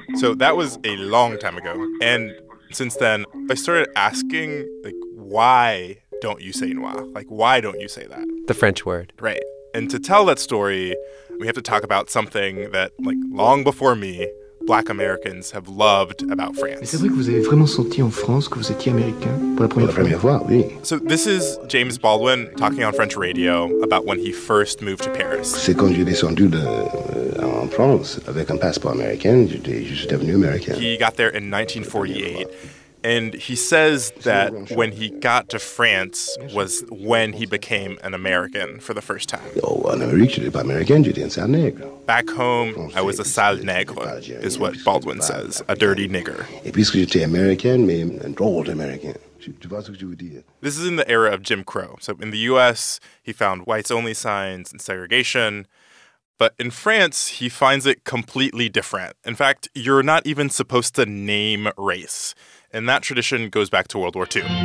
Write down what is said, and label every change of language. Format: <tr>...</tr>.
<en>So that was a long time ago. And since then, I started asking, like, why don't you say noir? Like, why don't you say that? The French word. Right. And to tell that story, we have to talk about something that, like, long before me, Black Americans have loved about France.</en> <fr>C'est vrai que vous avez vraiment senti en France que vous étiez américain pour la première fois. Oui.</fr> <en>So this is James Baldwin talking on French radio about when he first moved to Paris.</en> <fr>C'est quand j'ai descendu en France avec un passeport américain, j'étais devenu américain.</fr> <en>He got there in 1948, and he says that when he got to France was when he became an American for the first time.</en> <fr>Oh, en Amérique, j'étais pas américain, j'étais un sale nègre.</fr> <en>Back home, I was a</en> <fr>sale nègre,</fr> <en>is what Baldwin says, a dirty nigger.</en> <fr>Et puisque j'étais américain, mais un drôle d'américain.</fr> <en>This is in the era of Jim Crow. So in the U.S., he found whites-only signs and segregation. But in France, he finds it completely different. In fact, you're not even supposed to name race. And that tradition goes back to World War II.</en>